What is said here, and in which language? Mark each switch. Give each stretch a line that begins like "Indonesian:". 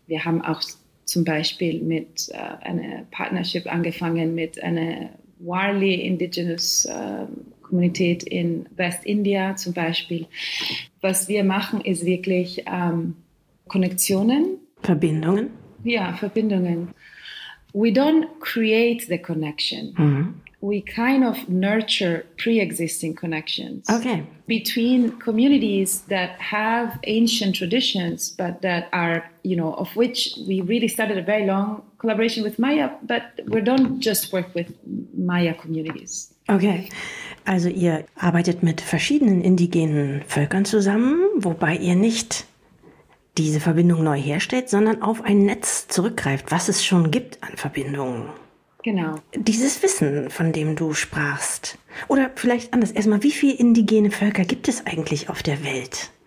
German: Wir haben auch zum Beispiel mit einer Partnership angefangen mit einer Warli Indigenous Kommunität in Westindien zum Beispiel. Was wir machen, ist wirklich Konnektionen. Verbindungen? Ja, Verbindungen.
English: We don't create the connection. Mhm. We kind of nurture pre-existing connections. Okay. Between communities that have ancient traditions, but that are, you know, of which we really started a very long collaboration with Maya, but we don't just work with Maya communities. Okay.
German: Also ihr arbeitet mit verschiedenen indigenen Völkern zusammen, wobei ihr nicht diese Verbindung neu herstellt, sondern auf ein Netz zurückgreift, was es schon gibt an Verbindungen. Genau. Dieses Wissen, von dem du sprachst. Oder vielleicht anders, erstmal, wie viele indigene Völker gibt es eigentlich auf der Welt?